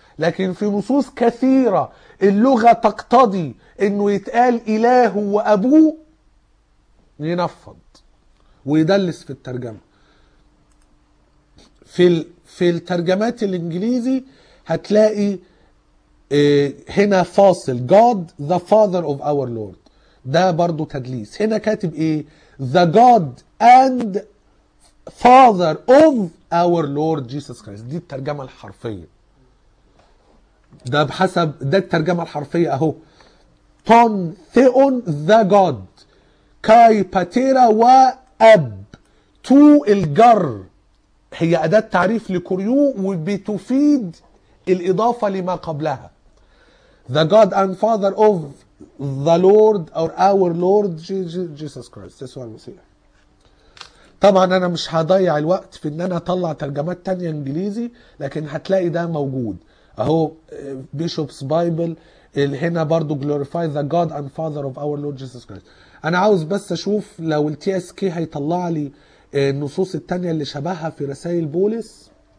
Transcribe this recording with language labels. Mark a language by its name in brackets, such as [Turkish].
[Arabic] لكن في نصوص كثيرة اللغة تقتضي انه يتقال اله وابوه، ينفض ويدلس في الترجمة. في الترجمات الانجليزي هتلاقي هنا فاصل [English] God the Father of our Lord، [Arabic] ده برضو تدليس. هنا كاتب ايه؟ [English] The God and Father of our Lord Jesus Christ. [Arabic] دي الترجمة الحرفية، ده بحسب ده الترجمة الحرفية اهو. تون ثئون the God كاي باتيرا وأب تو الجر، هي أداة تعريف لكوريو وبتفيد الإضافة لما قبلها. [English] The God and Father of the Lord or our Lord Jesus Christ. [Arabic] يسوع المسيح. طبعا أنا مش هضيع الوقت في أن أنا أطلع ترجمات تانية إنجليزي، لكن هتلاقي ده موجود أهو Bishop's Bible. هنا برضو [English] glorify the God and Father of our Lord Jesus Christ. [Arabic] أنا عاوز بس أشوف لو TSK هيطلع لي النصوص التانية اللي شبهها في رسائل بولس.